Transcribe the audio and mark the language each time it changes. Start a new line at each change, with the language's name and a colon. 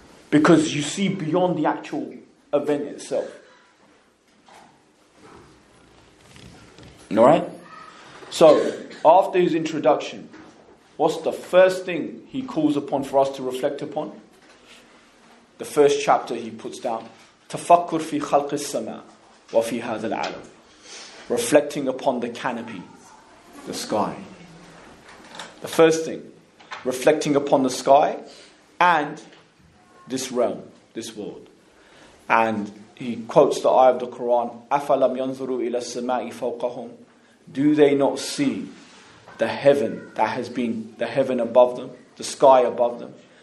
English: Because you see beyond the actual event itself. Alright? So, after His introduction, what's the first thing He calls upon for us to reflect upon? The first chapter He puts down,
Arabic: تَفَكُّرْ فِي خَلْقِ السَّمَاءِ وَفِي هَذَا الْعَالَمِ.
English: Reflecting upon the canopy, the sky. The first thing, reflecting upon the sky and this realm, this world. And He quotes the ayah of the Quran,
Arabic: أَفَلَمْ يَنْظُرُوا إِلَى السَّمَاءِ فَوْقَهُمْ.
English: Do they not see the heaven that has been, the heaven above them, the sky above them?